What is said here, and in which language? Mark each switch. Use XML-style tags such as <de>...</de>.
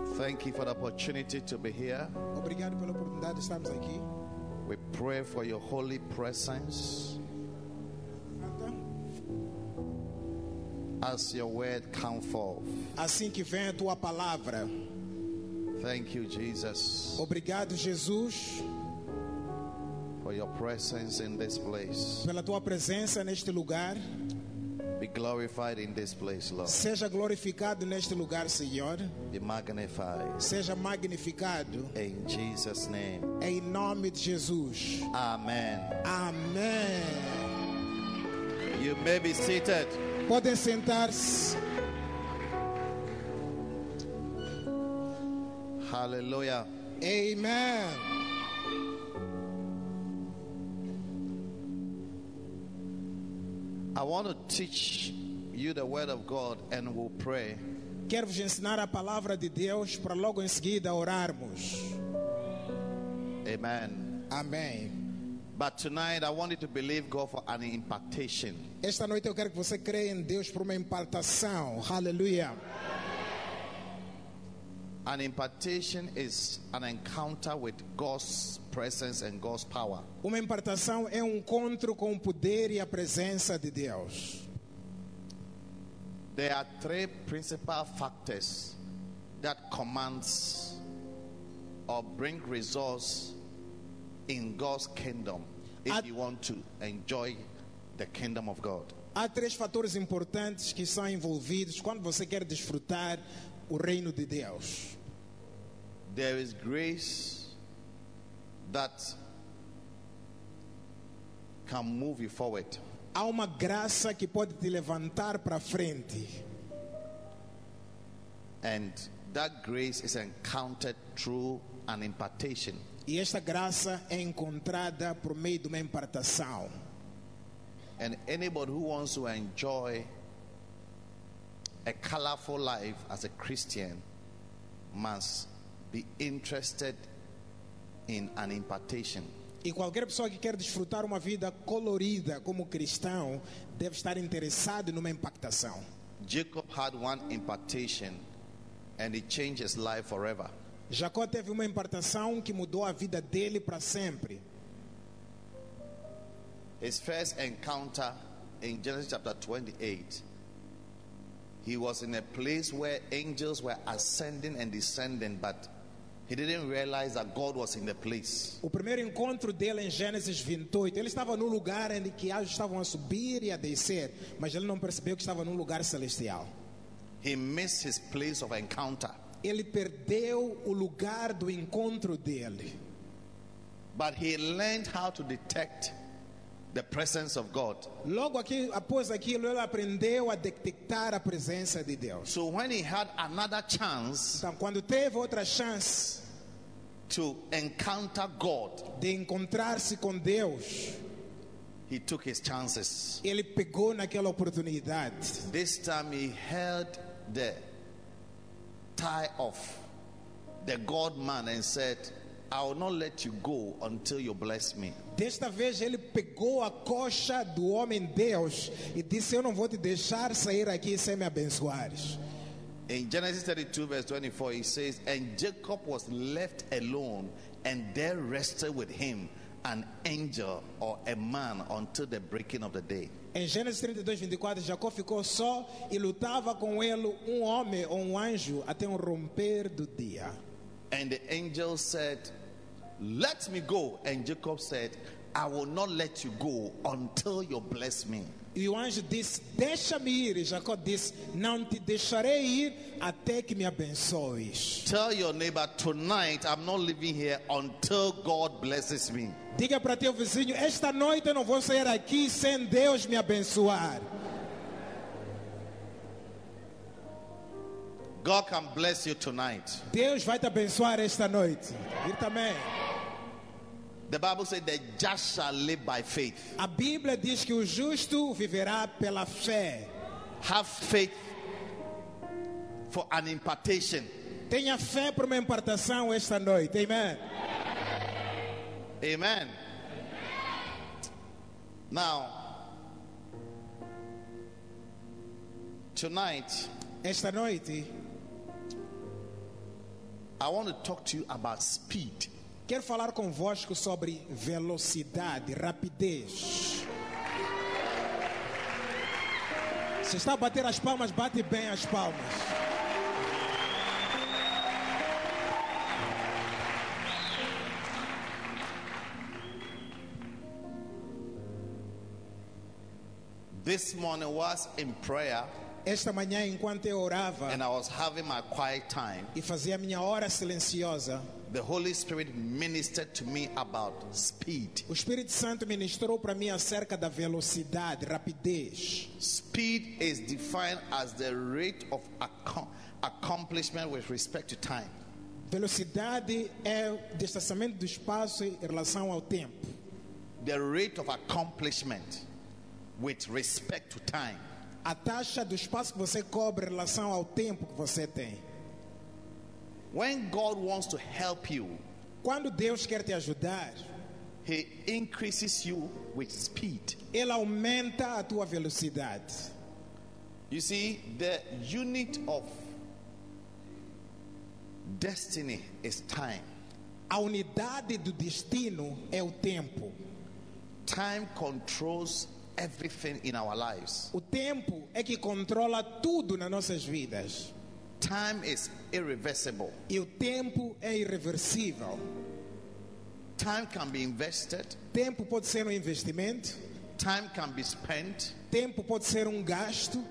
<en>Thank you for the opportunity to be here.</en> <pt>Obrigado pela oportunidade de estarmos aqui.</pt> <en>We pray for your holy presence. As your word come forth.</en> <pt>Assim que vem a tua palavra.</pt> <en>Thank you, Jesus.</en> <pt>Obrigado, Jesus.</pt> <en>For your presence in this place.</en> <pt>Pela tua presença neste lugar.</pt> <en>Be glorified in this place, Lord.</en> <pt>Seja glorificado neste lugar, Senhor.</pt> <en>Be magnified.</en> <pt>Seja magnificado.</pt> <en>In Jesus' name.</en> <pt>Em nome de Jesus.</pt> <en>Amen.</en> <pt>Amen.</pt> <en>You may be seated.</en> <pt>Podem sentar-se.</pt> <en>Hallelujah.</en> <pt>Amen.</pt> <en>I want to teach you the word of God and we'll pray.</en> <pt>Quero vos ensinar a palavra de Deus para logo em seguida orarmos.</pt> <en>Amen.</en> <pt>Amém.</pt> <en>But tonight I want you to believe God for an impartation.</en> <pt>Esta noite eu quero que você creia em Deus por uma impartação.</pt> <en>Hallelujah. An impartation is an encounter with God's presence and God's power.</en> <pt>Uma impartação é um encontro com o poder e a presença de Deus.</pt> <en>There are three principal factors that commands or bring results in God's kingdom if you want to enjoy the kingdom of God.</en> <pt>Há três fatores importantes que são envolvidos quando você quer desfrutar o reino de Deus.</pt> <en>There is grace that can move you forward.</en> <pt>Há uma graça que pode te levantar para frente.</pt> <en>And that grace is encountered through an impartation.</en> <pt>E esta graça é encontrada por meio de uma impartação.</pt> <en>And anybody who wants to enjoy a colorful life as a Christian must be interested in an impartation.</en> <pt>E qualquer pessoa que quer desfrutar uma vida colorida como cristão deve estar interessado numa impactação.</pt> <en>Jacob had one impartation and it changed his life forever.</en> <pt>Jacó teve uma impartação que mudou a vida dele para sempre.</pt> <en>His first encounter in Genesis chapter 28. He was in a place where angels were ascending and descending, but he didn't realize that God was in the place.</en> <pt>O primeiro encontro dele em Gênesis 28, ele estava no lugar em que anjos estavam a subir e a descer, mas ele não percebeu que estava num lugar celestial.</pt> <en>He missed his place of encounter.</en> <pt>Ele perdeu o lugar do encontro dele.</pt> <en>But he learned how to detect the presence of God.</en> <pt>Logo aqui, após aquilo, ele aprendeu a detectar a presença de Deus.</pt> <en>So when he had another chance,</en> <pt>então, quando teve outra chance</pt> <en>to encounter God,</en> <pt>de encontrar-se com Deus,</pt> <en>he took his chances.</en> <pt>Ele pegou naquela oportunidade.</pt> <en>This time he held the tie of the God man and said, I will not let you go until you bless me.</en> <pt>Desta vez ele pegou a coxa do homem Deus e disse, eu não vou te deixar sair aqui sem me abençoares.</pt> <en>In Genesis 32 verse 24 he says, and Jacob was left alone and there rested with him an angel or a man until the breaking of the day.</en> <pt>Em Gênesis 32:24, Jacó ficou só e lutava com ele um homem ou um anjo até o romper do dia.</pt> <en>And the angel said, let me go. And Jacob said, I will not let you go until you bless me.</en> <pt>E o anjo disse, deixa-me ir. E Jacó disse, não te deixarei ir até que me abençoes.</pt> <en>Tell your neighbor, tonight I'm not leaving here until God blesses me.</en> <pt>Diga para teu vizinho, esta noite eu não vou sair aqui sem Deus me abençoar.</pt> <en>God can bless you tonight.</en> <pt>Deus vai te abençoar esta noite. Ir também.</pt> <en>The Bible says the just shall live by faith.</en> <pt>A Bíblia diz que o justo viverá pela fé.</pt> <en>Have faith for an impartation.</en> <pt>Tenha fé para uma impartação esta noite.</pt> <en>Amen.</en> <pt>Amen.</pt> <en>Now, tonight,</en> <pt>esta noite,</pt> <en>I want to talk to you about speed.</en> <pt>Quero falar convosco sobre velocidade, rapidez. Se está a bater as palmas, bate bem as palmas.</pt> <en>This morning was in prayer.</en> <pt>Esta manhã, enquanto eu orava,</pt> <en>and I was having my quiet time,</en> <pt>e fazia minha hora silenciosa,</pt> <en>the Holy Spirit ministered to me about speed.</en> <pt>O Espírito Santo ministrou para mim acerca da velocidade, rapidez.</pt> <en>Speed is defined as the rate of accomplishment with respect to time.</en> <pt>Velocidade é o distanciamento do espaço em relação ao tempo.</pt> <en>The rate of accomplishment with respect to time.</en> <pt>A taxa do espaço que você cobre em relação ao tempo que você tem.</pt> <en>When God wants to help you,</en> <pt>quando Deus quer te ajudar,</pt> <en>He increases you with speed.</en> <pt>Ele aumenta a tua velocidade.</pt> <en>You see, the unit of destiny is time.</en> <pt>A unidade do destino é o tempo.</pt> <en>Time controls everything in our lives.</en> <pt>O tempo é que controla tudo nas nossas vidas.</pt> <en>Time is irreversible.</en> <pt>E o tempo é irreversível.</pt> <en>Time can be invested.</en> <pt>Tempo pode ser um investimento.</pt> <en>Time can be spent.</en> <pt>Tempo pode ser um gasto.</pt>